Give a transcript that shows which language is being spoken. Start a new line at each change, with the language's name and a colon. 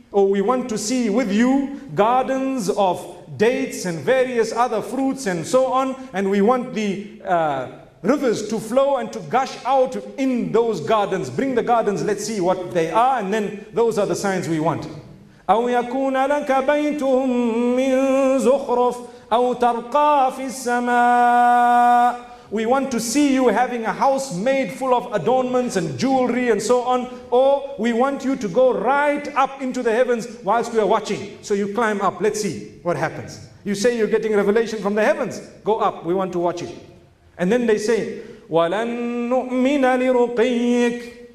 English: or we want to see with you gardens of dates and various other fruits and so on, and we want the rivers to flow and to gush out in those gardens. Bring the gardens, let's see what they are, and then those are the signs we want.
Arabic: أو يكون لك بيت من زخرف أو ترقى في السماء.
English: We want to see you having a house made full of adornments and jewelry and so on, or we want you to go right up into the heavens whilst we are watching. So you climb up, let's see what happens. You say you're getting revelation from the heavens, go up, we want to watch it. And then they say,
Arabic: وَلَن نُؤْمِنَ لِرُقِيِّكَ.